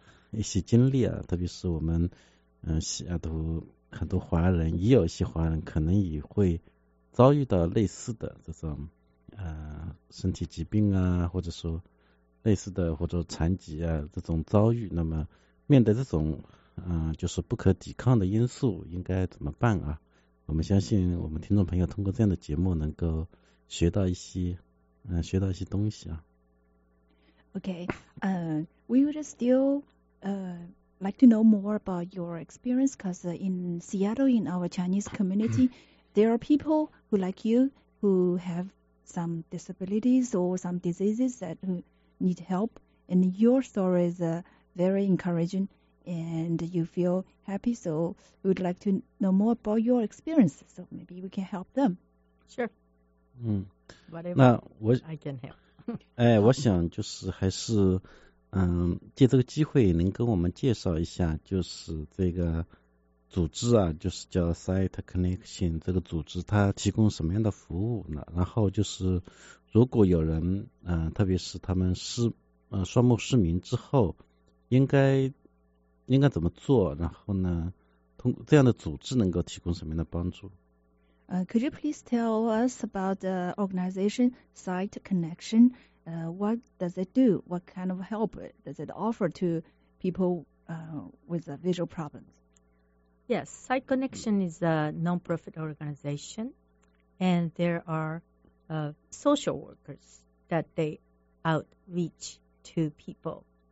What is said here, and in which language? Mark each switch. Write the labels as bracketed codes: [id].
[zh] 一些经历啊，特别是我们西雅图很多华人，也有一些华人可能也会遭遇到类似的这种身体疾病啊，或者说类似的或者残疾啊这种遭遇，那么面对这种就是不可抵抗的因素应该怎么办啊。我们相信我们听众朋友通过这样的节目能够学到一些学到一些东西啊。 [en] We would still like to know more about your experience, because in Seattle, in our Chinese community, there are people who like you who have some disabilities or some diseases that need help, and your story is very encouraging and you feel happy, so we would like to know more about your experience, so maybe we can help them. Sure. I can help. [zh] 我想就是还是借这个机会能跟我们介绍一下就是这个组织啊，就是叫 Sight Connection 这个组织它提供什么样的服务呢，然后就是如果有人特别是他们是双目失明之后应该怎么做，然后呢通过这样的组织能够提供什么样的帮助。 [en] Could you please tell us about the organization Sight Connection? what does it do? What kind of help does it offer to people with visual problems? Yes, Sight Connection is a nonprofit organization, and there are social workers that they outreach to people.